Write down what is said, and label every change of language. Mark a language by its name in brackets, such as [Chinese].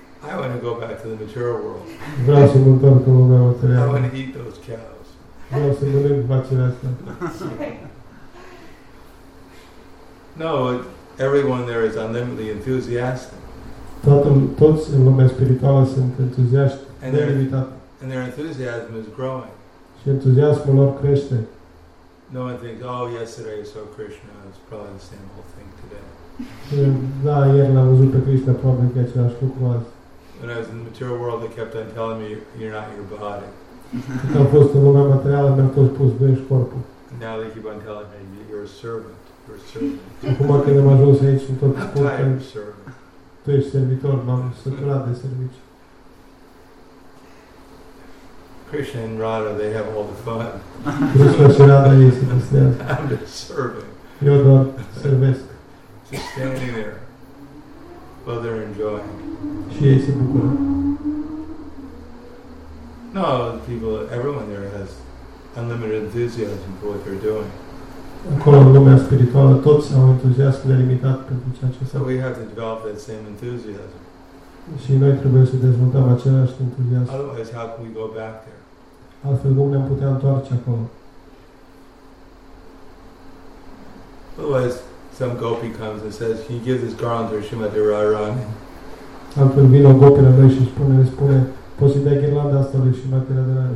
[English] I want to go back to the mature world. [Romanian] Vreau să mă întorc în lumea materială. [English] I want to eat those cows. [Romanian] Vreau să mănânc vacile astea. [English] No, everyone there is unlimitedly enthusiastic. [Romanian] Toți în lumea spirituală sunt entuziaști nelimitat. [English] And their enthusiasm is growing. [Romanian] Și entuziasmul lor crește. [English] No one thinks, oh, yesterday I saw Krishna, it's probably the same whole thing today. [Romanian] Da, ieri l-am văzut pe Krishna, probabil că același lucru azi. [English] When I was in the material world, they kept on telling me, you're not your body. [Romanian] Când am fost în lumea materială, mi-au tot spus, nu ești corpul. [English] And now they keep on telling me, you're a servant. [Romanian] Acum când am ajuns aici, sunt tot spus că tu ești servitor, m-am săturat de serviciu. [English] Krishna and Radha, they have all the fun. [Romanian] Krishna și Radha ei se distrează. [English] I'm just serving. [Romanian] Eu doar servesc. [English] Just standing there. Well, they're enjoying. [Romanian] Și ei se bucură. [English] No, people, everyone there has unlimited enthusiasm for what they're doing. [Romanian] Acolo, în lumea spirituală, toți au entuziasm nelimitat pentru ceea ce se întâmplă. Și noi trebuie să dezvoltăm același entuziasm. [English] Otherwise, how can we go back there? [Romanian] Altfel, cum ne-am putea întoarce acolo? [English] Otherwise, some gopi comes and says, can you give this garland to Srimati Radharani? [Romanian] Altfel, vine o gopi la noi și spune, poți să-i dai ghirlanda asta lui Srimati Radharani?